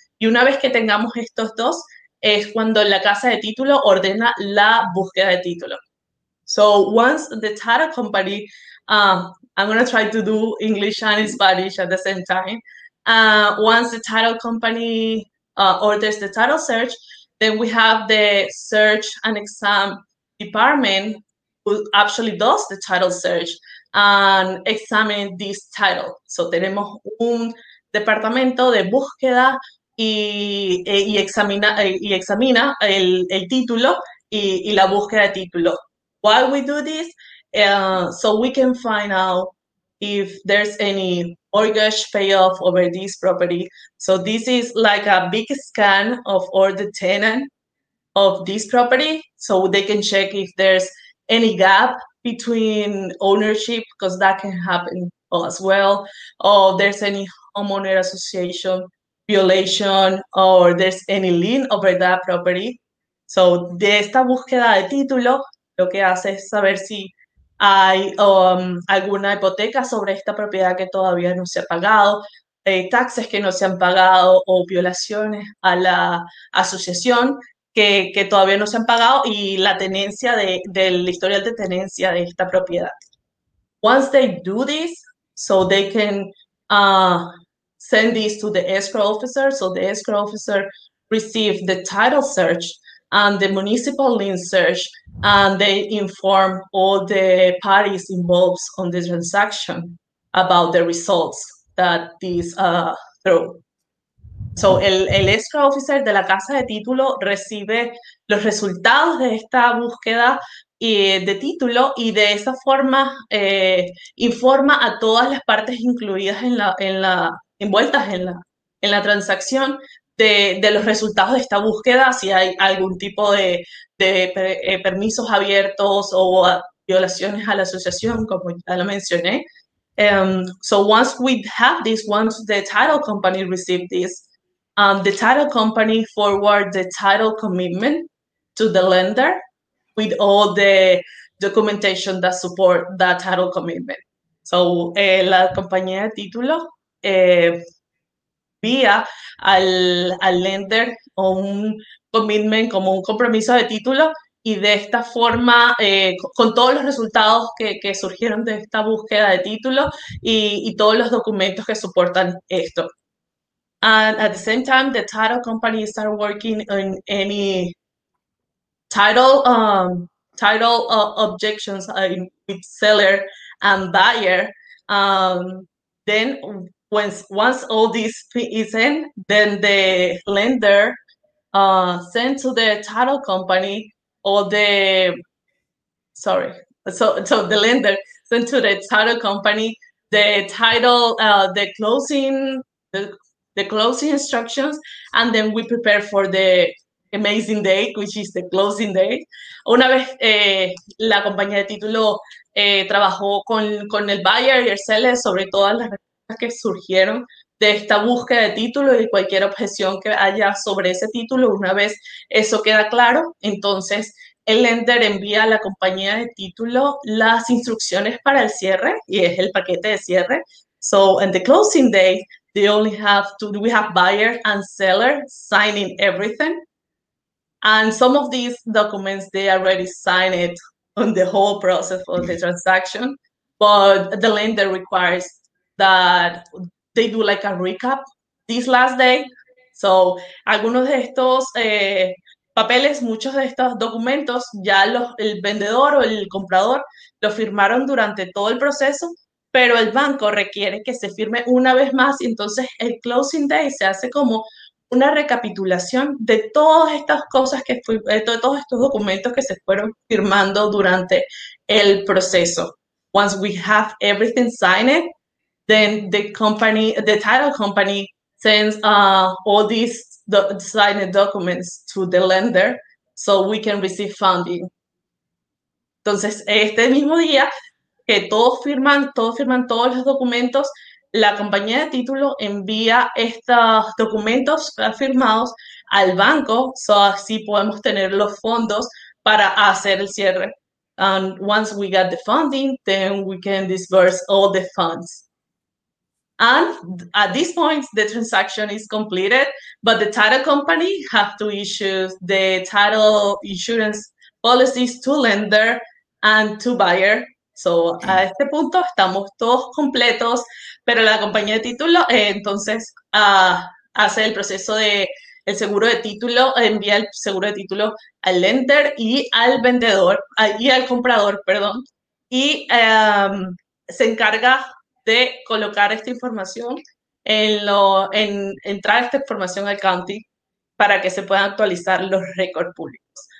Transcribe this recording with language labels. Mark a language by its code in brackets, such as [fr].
[es] Y una vez que tengamos estos dos, es cuando la casa de título ordena la búsqueda de título. [en] So once the title company, I'm going to try to do English and Spanish at the same time. Once the title company orders the title search, then we have the search and exam department who actually does the title search and examine this title. [es] So tenemos un departamento de búsqueda y examina el título y la búsqueda de título. [en] Why we do this? So we can find out if there's any mortgage payoff over this property. So this is like a big scan of all the tenants of this property. So they can check if there's any gap between ownership, because that can happen as well. Or there's any homeowner association violation, or there's any lien over that property. [es] So de esta búsqueda de título, lo que hace es saber si hay alguna hipoteca sobre esta propiedad que todavía no se ha pagado, taxes que no se han pagado o violaciones a la asociación que todavía no se han pagado y la tenencia del historial de tenencia de esta propiedad. [en] Once they do this, so they can send this to the escrow officer, so the escrow officer receives the title search and the municipal lien search, and they inform all the parties involved on the transaction about the results that this through. [es] So, el escrow officer de la casa de título recibe los resultados de esta búsqueda de título y de esa forma informa a todas las partes incluidas envueltas en la transacción de los resultados de esta búsqueda, si hay algún tipo de permisos abiertos o violaciones a la asociación, como ya lo mencioné. [en] So once we have this, once the title company received this, the title company forward the title commitment to the lender with all the documentation that support that title commitment. [es] So la compañía de título envía al lender un commitment, como un compromiso de título, y de esta forma, con todos los resultados que surgieron de esta búsqueda de título y todos los documentos que soportan esto. [en] And at the same time, the title company start working on any title objections with seller and buyer. Then once all this is in, then the lender send to the title company So the lender sent to the title company the title, the closing instructions, and then we prepare for the amazing day, which is the closing day. [es] Una vez la compañía de título trabajó con el buyer y el seller sobre todas las respuestas que surgieron de esta búsqueda de título y cualquier objeción que haya sobre ese título, una vez eso queda claro, entonces el lender envía a la compañía de título las instrucciones para el cierre, y es el paquete de cierre. [en] So, on the closing day, we have buyer and seller signing everything. And some of these documents, they already signed it on the whole process of the transaction. But the lender requires that they do like a recap this last day. [es] So, algunos de estos papeles, muchos de estos documentos, ya el vendedor o el comprador lo firmaron durante todo el proceso, pero el banco requiere que se firme una vez más. Entonces, el closing day se hace como una recapitulación de todas estas cosas de todos estos documentos que se fueron firmando durante el proceso. [en] Once we have everything signed, then the title company sends all these signed documents to the lender so we can receive funding. [es] Entonces, este mismo día que todos firman todos los documentos, la compañía de título envía estos documentos firmados al banco, so así podemos tener los fondos para hacer el cierre. [en] And once we get the funding, then we can disburse all the funds. And at this point, the transaction is completed, but the title company have to issue the title insurance policies to lender and to buyer. [es] So, a este punto, estamos todos completos, pero la compañía de título, entonces, hace el proceso del seguro de título, envía el seguro de título al lender y al vendedor, y al comprador, perdón, y se encarga de colocar esta información entrar esta información al county para que se puedan actualizar los récords públicos.